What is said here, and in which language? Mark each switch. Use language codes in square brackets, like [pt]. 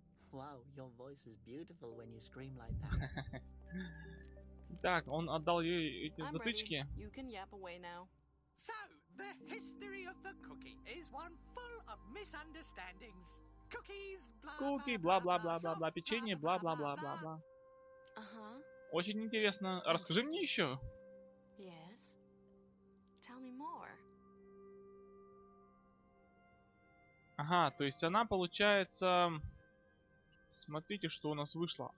[en] Wow, your voice is beautiful when you scream like that. [ru] Так, он отдал ей эти затычки. [en] You can yap away now. So, the history of the cookie is one full of misunderstandings. [ru] Cookies, бла-бла-бла-бла-бла, печенье, бла-бла-бла-бла-бла. Очень интересно. Расскажи мне еще. [en] Yes. Tell me more. [ru] Ага, то есть она получается... Смотрите, что у нас вышло.